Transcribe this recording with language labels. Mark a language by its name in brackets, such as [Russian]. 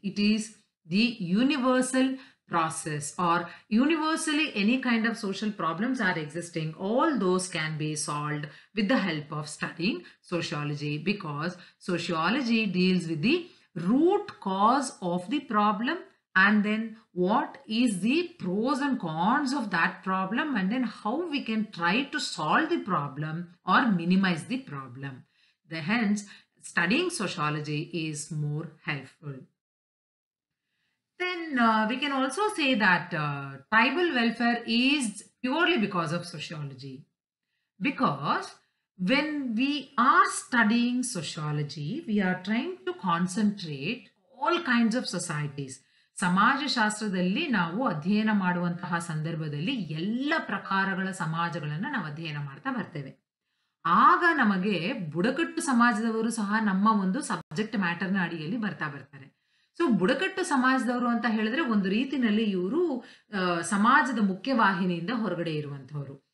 [English] It is the universal process or universally any kind of social problems are existing, all those can be solved with the help of studying sociology, because sociology deals with the root cause of the problem and then what is the pros and cons of that problem and then how we can try to solve the problem or minimise the problem. Hence studying sociology is more helpful. Then we can also say that tribal welfare is purely because of sociology. Because when we are studying sociology, we are trying to concentrate all kinds of societies. [Kannada] ಸಮಾಜಶಾಸ್ತ್ರದಲ್ಲಿ ನಾವು ಅಧ್ಯಯನ ಮಾಡುವಂತಹ ಸಂದರ್ಭದಲ್ಲಿ ಎಲ್ಲ ಪ್ರಕಾರಗಳ ಸಮಾಜಗಳನ್ನು ನಾವು ಅಧ್ಯಯನ ಮಾಡ್ತಾ ಬರ್ತೇವೆ. ಆಗ ನಮಗೆ ಬುಡಕಟ್ಟು ಸಮಾಜದವರು ಸಹ ನಮ್ಮ ಒಂದು ಸಬ್ಜೆಕ್ಟ್ ಮ್ಯಾಟರ್ನ ಅಡಿಯಲ್ಲಿ ಬರ್ತಾ ಬರ್ತಾರೆ. ಸೊ ಬುಡಕಟ್ಟು ಸಮಾಜದವರು ಅಂತ ಹೇಳಿದ್ರೆ ಒಂದು ರೀತಿನಲ್ಲಿ ಇವರು ಸಮಾಜದ ಮುಖ್ಯವಾಹಿನಿಯಿಂದ ಹೊರಗಡೆ ಇರುವಂಥವರು.